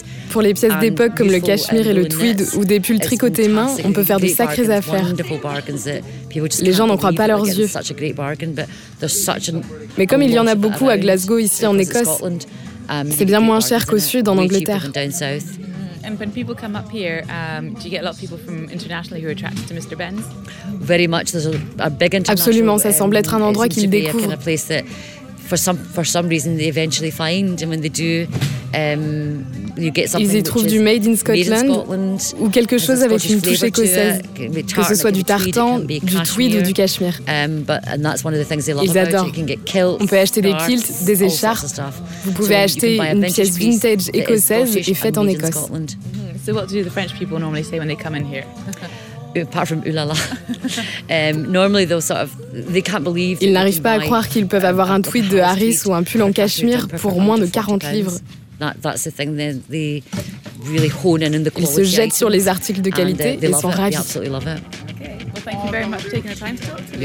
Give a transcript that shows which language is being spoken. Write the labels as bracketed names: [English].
[French] Pour les pièces d'époque comme le cachemire et le tweed ou des pulls tricotés main, on peut faire de sacrées affaires. Les gens n'en croient pas leurs yeux. Mais comme il y en a beaucoup à Glasgow, ici en Écosse, c'est bien moins cher qu'au sud, en Angleterre. [English] And when people come up here, do you get a lot of people from internationally who are attracted to Mr. Ben's? Very much. There's a big international. [French] Absolument, ça semble être un endroit qu'ils découvrent. [English] Kind of place that for some reason they eventually find, and when they do, you get something. [French] Ils y trouvent du made in Scotland ou quelque chose avec une touche écossaise, que ce soit du tartan, du tweed ou du cachemire. [English] And that's one of the things they love. [French] Ils adorent. [English] You can get kilts, [French] on peut acheter des kilts, des écharpes. Vous pouvez acheter une pièce vintage écossaise et faite en Écosse. [English] So what do the French people normally say when they come in here? Apart from oulala, normally they'll sort of they can't believe. [French] Ils n'arrivent pas à croire qu'ils peuvent avoir un tweed de Harris ou un pull en cachemire pour moins de 40 livres. [English] That's the thing. They really hone in on the quality. [French] Ils se jettent sur les articles de qualité et ils sont ravis. [English] Okay. Well, thank you very much for taking the time to talk to me.